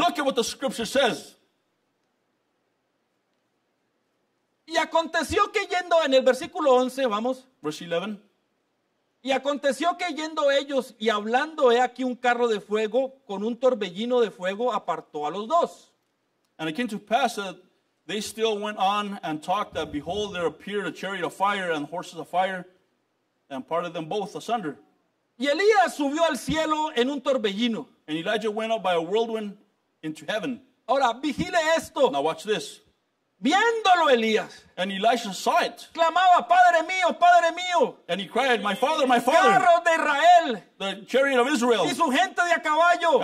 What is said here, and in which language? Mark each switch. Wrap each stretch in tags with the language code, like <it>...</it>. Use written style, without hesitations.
<en>Look at what the scripture says.</en> <es>Y aconteció que yendo en el versículo 11, vamos.</es> <en>Verse 11.</en> <es>Y aconteció que yendo ellos y hablando, he aquí un carro de fuego con un torbellino de fuego apartó a los dos.</es> <en>And it came to pass that they still went on and talked that behold there appeared a chariot of fire and horses of fire and parted them both asunder.</en> <es>Y Elías subió al cielo en un torbellino.</es> <en>And Elijah went up by a whirlwind into heaven.</en> <es>Ahora, vigile esto.</es> <en>Now watch this.</en> <es>Viéndolo Elías.</es> <en>And Elisha saw it.</en> <es>Clamaba, Padre mío, Padre mío.</es> <en>And he cried, my father, my father.</en> <es>Carro de Israel.</es> <en>The chariot of Israel.</en> <es>Y su gente de a caballo.</es>